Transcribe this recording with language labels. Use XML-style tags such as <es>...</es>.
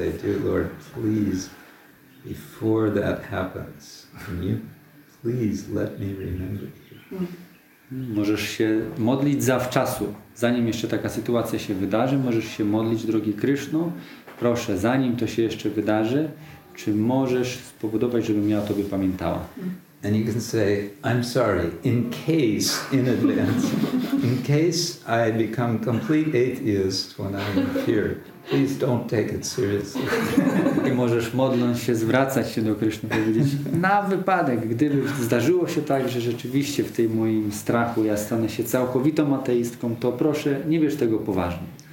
<en>Say, dear Lord, please, before that happens, can you please let me remember you?</en> <pl>Możesz się modlić zawczasu. Zanim jeszcze taka sytuacja się wydarzy, możesz się modlić, drogi Krishna, proszę, zanim to się jeszcze wydarzy, czy możesz spowodować, żebym ja o tobie pamiętała?</pl> <en>And you can say, I'm sorry, in case, in advance, in case I become complete atheist when I'm here, please don't take it seriously.</en> <pl>I możesz modląc się, zwracać się do Krishna, powiedzieć, na wypadek, gdyby zdarzyło się tak, że rzeczywiście w tym moim strachu ja stanę się całkowitą ateistką, to proszę, nie bierz tego poważnie.</pl>